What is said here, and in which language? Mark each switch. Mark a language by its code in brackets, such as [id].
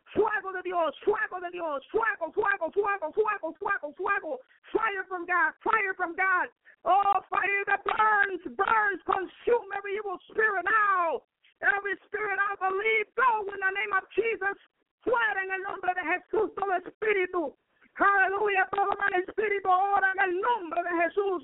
[es] Fuego de Dios, fuego de Dios, fuego, fuego, fuego, fuego, fuego, fuego, [en] fire from God, fire from God. Oh, fire that burns, burns, consume every evil spirit now. Every spirit I believe, go in the name of Jesus. [es] fuera en el nombre de Jesús, todo espíritu. Aleluya, todo mal espíritu ahora en el nombre de Jesús.